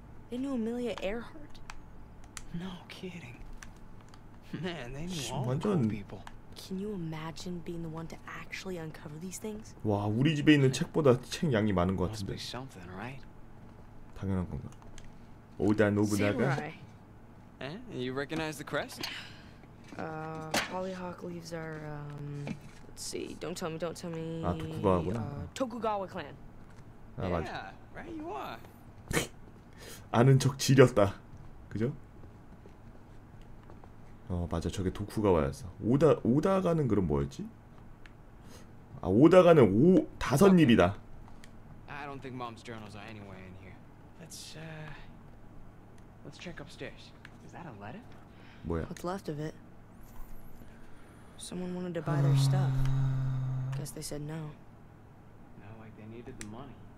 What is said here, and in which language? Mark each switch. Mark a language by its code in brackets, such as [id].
[en] They knew Amelia Earhart? No kidding. Man, they knew all the people. Can you imagine being the one to actually uncover these things? [ko] 와, 우리 집에 있는 책보다 책 양이 많은 것 같은데. [en] Something, right? [ko] 당연한 건가? 오다 노부나가? Eh? [en] You recognize the crest? Hollyhock leaves are let's see. Don't tell me. [ko] 아, 도쿠가와구나. [en] Tokugawa clan. [ko] 아, 맞아. [en] Yeah, right you are. [ko] 아는 척 지렸다. 그죠? 어, 맞아. 저게 도쿠가와였어. 오다가는 그럼 뭐였지? 아, 오다가는 오 다섯 입이다. [en] I don't think mom's journals are anywhere in here. Let's check upstairs. Is that a letter? [ko] 뭐야? [en] What's left of it? Someone wanted to buy their stuff. Guess they said no. Not like they needed the money.